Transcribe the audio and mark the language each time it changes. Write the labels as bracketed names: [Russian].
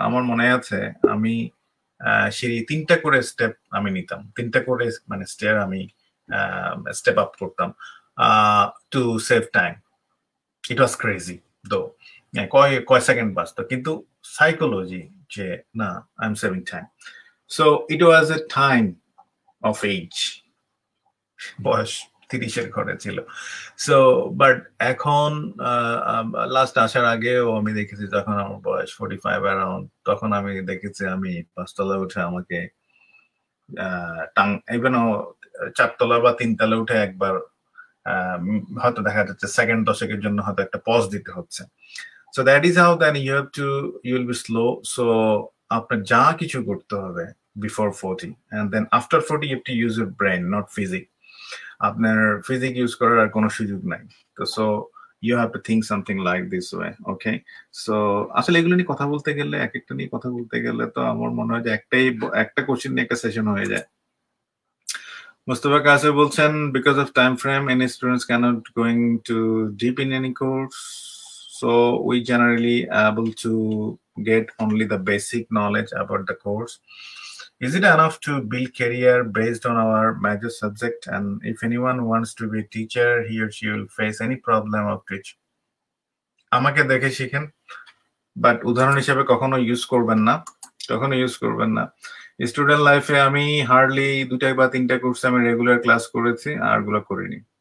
[Bangla] আমার মনে আছে আমি সিঁড়ি তিনটা করে স্টেপ আমি নিতাম, তিনটা করে মানে স্টেয়ার আমি স্টেপ আপ করতাম to save time. [English] it was crazy though, [Bangla] কয় সেকেন্ড বাঁচত, কিন্তু সাইকোলজি যে না [English] I am saving time. So it was a time of age, [Bangla] বয়স 30-এর ঘরে ছিল। সো বাট এখন লাস্ট আসার আগেও আমি দেখেছি যখন আমার বয়স 45 অ্যারাউন্ড তখন আমি দেখেছি আমি পাঁচতলা উঠে আমাকে টাং ইভেন চারতলা বা তিনতলা উঠে একবার হয়তো দেখা যাচ্ছে সেকেন্ড দশকের জন্য হয়তো একটা পজ দিতে হচ্ছে। [English] So that is how then you have to you will be slow. [Bangla] So আপনার যা কিছু করতে হবে [English] before 40 and then after 40 you have to use your brain not physique, [Bangla] আপনার ফিজিক ইউজ করার আর কোনো সুযোগ নাই। তো [English] So you have to think something like this way. [Bangla] Okay, so আসলে এগুলো নিয়ে কথা বলতে গেলে, এক একটা নিয়ে কথা বলতে গেলে তো আমার মনে হয় যে একটাই একটা কোশ্চেন নিয়ে একটা সেশন হয়ে যায়। [English] মুস্তফা কাসের বলছেন, because of time frame any students can not going to deep in any course, so we generally able to get only the basic knowledge about the course. Is it enough to build career based on our major subject? And if anyone wants to be a teacher, he or she will face any problem of teach. [Bangla] আমাকে দেখে শিখেন, but উদাহরণ হিসেবে কখনো use করবেন না, কখনো use করবেন না। স্টুডেন্ট লাইফে আমি হার্ডলি 2টা বা 3টা কোর্স আমি রেগুলার ক্লাস করেছি, আর গুলো করিনি।